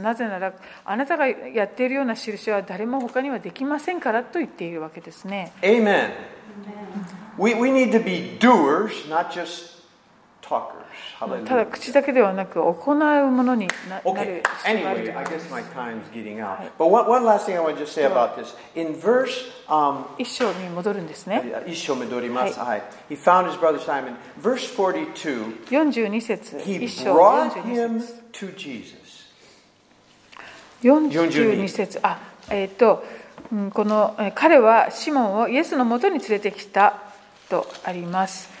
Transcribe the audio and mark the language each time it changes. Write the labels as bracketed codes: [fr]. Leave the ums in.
[ja] なぜなら、あなたがやっているような印は誰も他にはできませんからと言っているわけですね。 [en] Amen. Amen. We, we need to be doers, not just talkers. [ja] ただ口だけではなく行うものになる。 [en] Okay. Anyway, I guess my time's getting out.、はい、But one, one last thing I want to just say about this. In verse,、 [ja] um, 一章に戻るんですね。一章戻ります。はい。 [en] はい、he found his brother Simon. Verse 42, 42節 he brought 節 him to Jesus. [ja] 42節あ、えっ、ー、と、この彼はシモンをイエスのもとに連れてきたとあります。